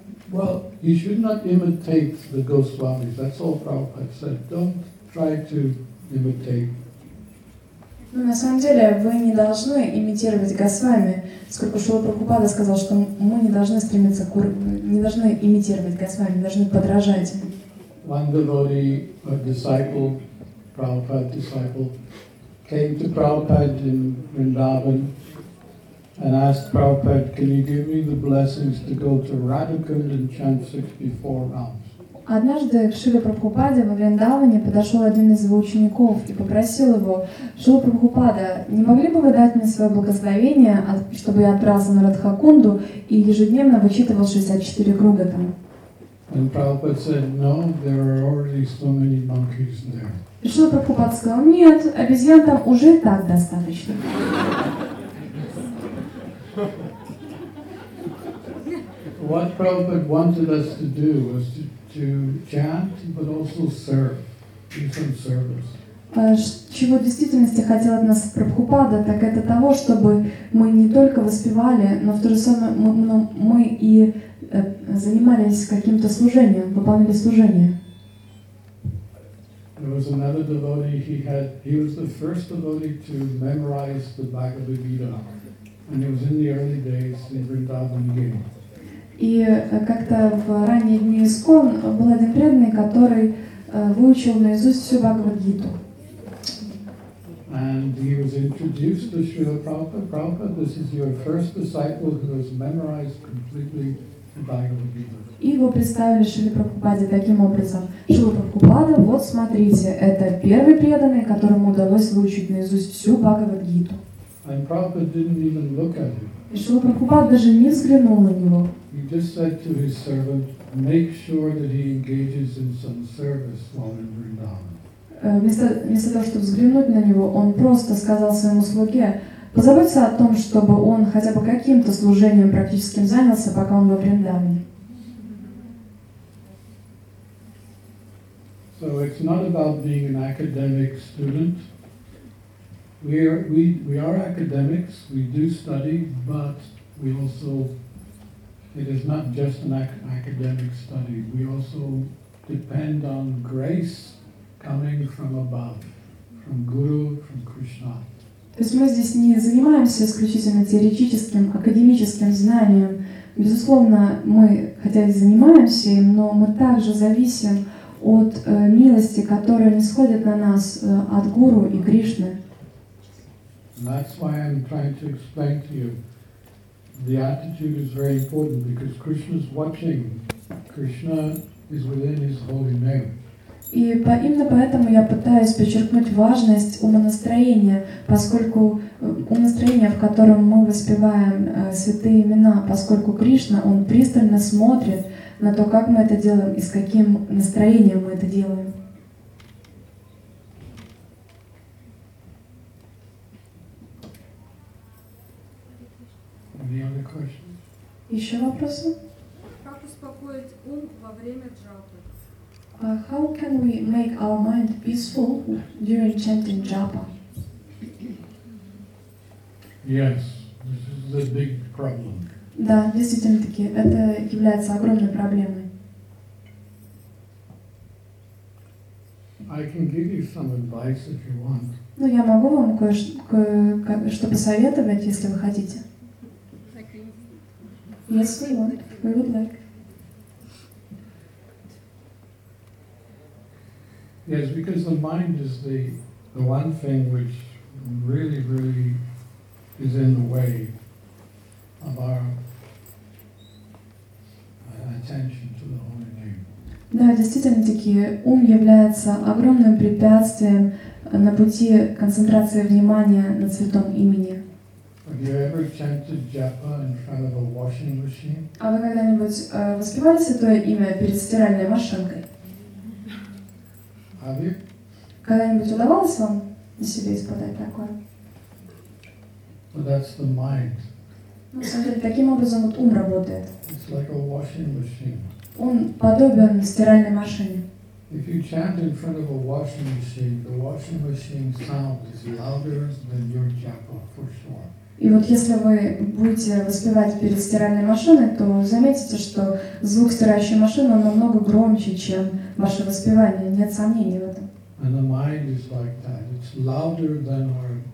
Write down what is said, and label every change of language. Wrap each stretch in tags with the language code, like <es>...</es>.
<en>Well, you should not imitate the Goswamis. That's all Prabhupada said. Don't try to imitate.</en> <ru>Ну, на самом деле, вы не должны имитировать Госвами. Сколько Шрила Прабхупада сказал, что мы не должны стремиться к не должны имитировать Госвами, мы должны подражать.</ru> <en>One devotee, a disciple, Prabhupada disciple, came to Prabhupada in Vrindavan and asked Prabhupada, can you give me the blessings to go to Radhakund and chant 64 rounds?</en> <ru>Однажды к Шриле Прабхупаде во Вриндаване подошел один из его учеников и попросил его: «Шрила Прабхупада, не могли бы вы дать мне свое благословение, чтобы я отправился на Радхакунду и ежедневно вычитывал 64 круга там?»</ru> <en>And Prabhupada said, no, there are already so many monkeys there.</en> <ru>И Шрила Прабхупада сказал: «Нет, обезьян там уже так достаточно».</ru> <en>What Prabhupada wanted us to do was to chant, but also serve, do some service.</en> <ru>Чего в действительности хотел от нас Прабхупада, так это того, чтобы мы не только воспевали, но в то же самое мы и занимались каким-то служением, выполняли служение.</ru> <en>There was another devotee, he was the first devotee to memorize the Bhagavad Gita, and it was in the early days in Vrindavan Gaon.</en> <ru>И как-то в ранние дни ИСКОН был один преданный, который выучил наизусть всю Бхагавад-гиту.</ru> <en>And he was introduced to Srila Prabhupada. Prabhupada, this is your first disciple who has memorized completely the Bhagavad-gita.</en> <ru>И его представили Шриле Прабхупаде таким образом: Шрила Прабхупада, вот смотрите, это первый преданный, которому удалось выучить наизусть всю Бхагавад-гиту.</ru> <en>And Prabhupada didn't even look at him.</en> <ru>И Шрила Прабхупада даже не взглянул на него.</ru> <en>He just said to his servant, make sure that he engages in some service while in Vrindavan.</en> <ru>Вместо того, чтобы взглянуть на него, он просто сказал своему слуге, позаботься о том, чтобы он хотя бы каким-то служением практическим занялся, пока он во Вриндаване.</ru> <en>So it's not about being an academic student. We are academics, we do study, but we also, it is not just an academic study. We also depend on grace coming from above, from Guru, from Krishna.</en> <ru>То есть мы здесь не занимаемся исключительно теоретическим, академическим знанием. Безусловно, мы хотя и занимаемся им, но мы также зависим от милости, которая нисходит на нас от Гуру и Кришны.</ru> <en>And that's why I'm trying to explain to you. The attitude is very important because Krishna is watching. Krishna is within his holy name.</en> <ru>И именно поэтому я пытаюсь подчеркнуть важность умонастроения, поскольку умонастроение, в котором мы воспеваем святые имена, поскольку Кришна, он пристально смотрит на то, как мы это делаем и с каким настроением мы это делаем.</ru> <en>Any other questions?</en> <ru>Еще вопросы? Как успокоить ум во время джапы?</ru> <en>How can we make our mind peaceful during chanting japa? Yes, this is a big problem.</en> <ru>Да, действительно таки, это является огромной проблемой.</ru> <en>I can give you some advice if you want.</en> <ru>Ну, я могу вам кое-что посоветовать, если вы хотите.</ru> <en>Yes, we want. We would like. Yes, because the mind is the one thing which really, really is in the way of our attention to the Holy Name.</en> <ru>Да, действительно таки, ум является огромным препятствием на пути концентрации внимания на святом имени.</ru> <en>Have you ever chanted japa in front of a washing machine?</en> <ru>А вы когда-нибудь воспевали святое имя перед стиральной машинкой?</ru> <en>Have you?</en> <ru>Когда-нибудь удавалось вам на себе испытать такое?</ru> <en>Well, that's the mind.</en> <ru>Ну, смотрите, таким образом вот ум работает.</ru> <en>It's like a washing machine.</en> <ru>Он подобен стиральной машине.</ru> <en>If you chant in front of a washing machine sound is louder than your japa, for sure.</en> <ru>И вот если вы будете воспевать перед стиральной машиной, то заметите, что звук стирающей машины он намного громче, чем ваше воспевание. Нет сомнений в этом.</ru> <en>And the mind is like that. It's louder than our</en>